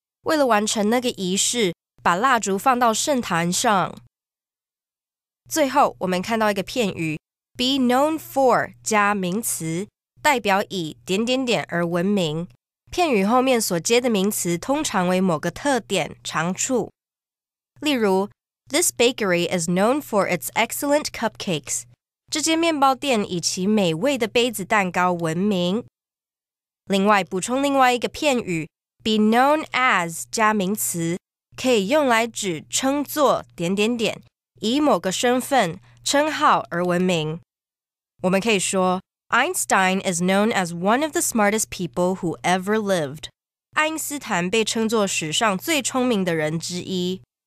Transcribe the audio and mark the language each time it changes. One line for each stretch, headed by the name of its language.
Chinese: 为了完成那个仪式，把蜡烛放到圣坛上。最后，我们看到一个片语 Be known for 加名词，代表以点点点而闻名。片语后面所接的名词通常为某个特点、长处。例如
English: This bakery is known for its excellent cupcakes.
Chinese: 这间面包店以其美味的杯子蛋糕闻名。另外，补充另外一个片语 be known as 加名词可以用来指称作点点点以某个身份称号而闻名。我们可以说
English: Einstein is known as one of the smartest people who ever lived.
Chinese: 爱因斯坦被称作史上最聪明的人之一。